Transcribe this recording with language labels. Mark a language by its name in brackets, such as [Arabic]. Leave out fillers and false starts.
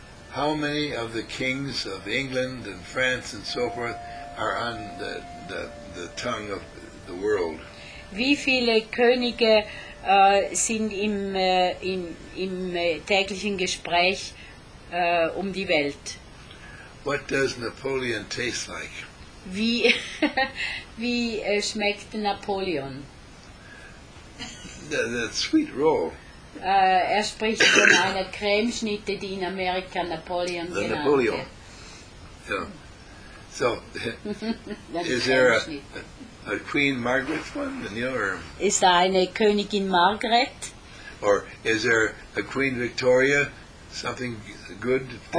[English] How many of the kings of England and France and so forth are on the tongue of the world? [German] Wie viele Könige sind im täglichen Gespräch um die Welt? [English] What does Napoleon taste like? [German] Wie schmeckt Napoleon? [English] that sweet role. [German] Er spricht von einer Cremeschnitte, die in Amerika Napoleon genannt wird. [English] Napoleon. Yeah. So, is there a Queen Margaret one, Daniel? Or [German] ist da eine Königin Margaret? [English] Or is there a Queen Victoria, something good to